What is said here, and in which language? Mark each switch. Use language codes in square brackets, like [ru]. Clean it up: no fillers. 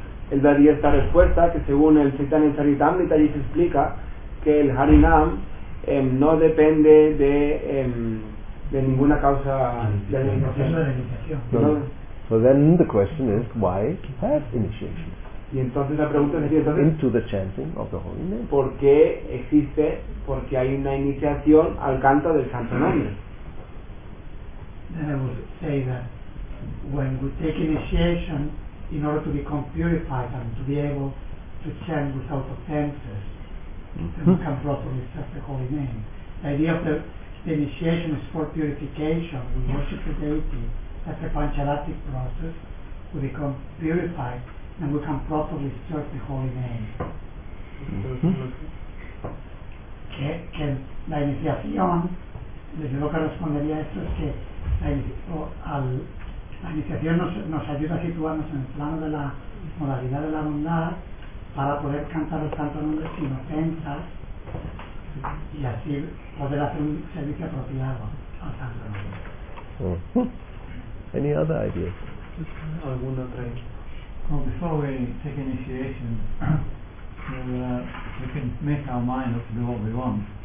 [es] él daría esta respuesta que según el Chaitanya Charitamrita allí se explica que el Harinam no depende de ninguna causa de la iniciación. [en] So then the question is why have initiation? [es] Y entonces la pregunta sería entonces [en] into the chanting of the holy name. [es] ¿Por qué existe? Porque hay una iniciación al canto del santo nombre. [en] Then I would say that when we take initiation in order to become purified and to be able to chant without offenses, then we can properly serve the holy name. The idea of the initiation is for purification. We worship the deity. That's the panchalatic process. We become purified and we can properly serve the holy name. [es] Que la iniciación, desde lo que respondería esto es que la iniciación nos ayuda a situarnos en el plano de la modalidad de la bondad para poder cantar los santos nombres sin ofensas y así poder hacer un servicio apropiado al santo nombre. [en] Uh-huh. Any other ideas? [es] Alguna otra idea. [en] Before we take initiation, we can make our mind up to do what we want.